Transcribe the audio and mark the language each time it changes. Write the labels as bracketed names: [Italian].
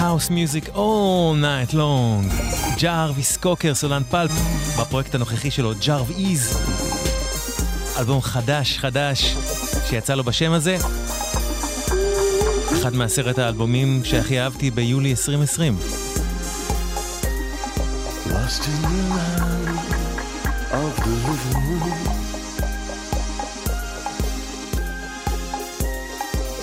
[English] מיוזיק all night long. [Hebrew] ג'רוויס קוקר, סולן פלפ, בפרויקט הנוכחי שלו ג'רו איז, אלבום חדש שיצא לו בשם הזה, אחד מעשרת האלבומים שהכי אהבתי ביולי 2020. [English] Lost in the land of the living room.